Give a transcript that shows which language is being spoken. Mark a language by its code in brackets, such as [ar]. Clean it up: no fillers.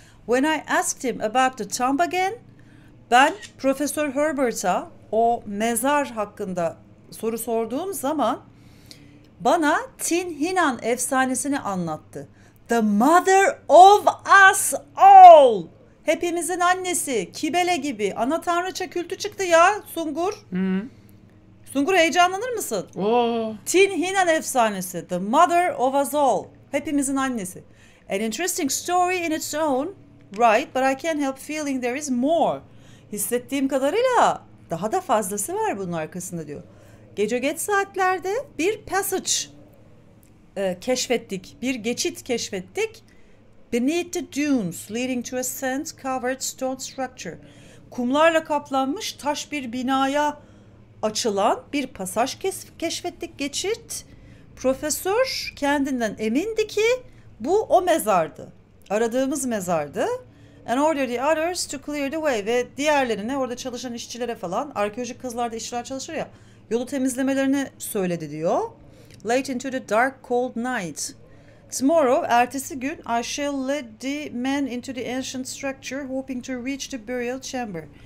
[en] When I asked him about the tomb again, [tr] ben Profesör Herbert'a o mezar hakkında soru sorduğum zaman bana Tin Hinan efsanesini anlattı. [en] The mother of us all. [tr] Hepimizin annesi, Kibele gibi, ana tanrıça kültü çıktı ya Sungur. Hmm. Sungur heyecanlanır mısın? Oh. Tin Hinan efsanesi, [en] the mother of us all. [tr] Hepimizin annesi. [en] An interesting story in its own. Right, but I can't help feeling there is more. [tr] Hissettiğim kadarıyla daha da fazlası var bunun arkasında diyor. Gece geç saatlerde bir passage keşfettik. Bir geçit keşfettik. [en] Beneath the dunes leading to a sand-covered stone structure. [tr] Kumlarla kaplanmış taş bir binaya açılan bir pasaj keşfettik, geçit. Profesör kendinden emindi ki bu o mezardı. Aradığımız mezardı. [en] and order the others to clear the way. [tr] Ve diğerlerine, orada çalışan işçilere falan, arkeolojik kazılarda işçiler çalışır ya, yolu temizlemelerini söyledi diyor. [en] Late into the dark cold night. Tomorrow, [tr] ertesi gün, [en] I shall lead the men into the ancient structure, hoping to reach the burial chamber.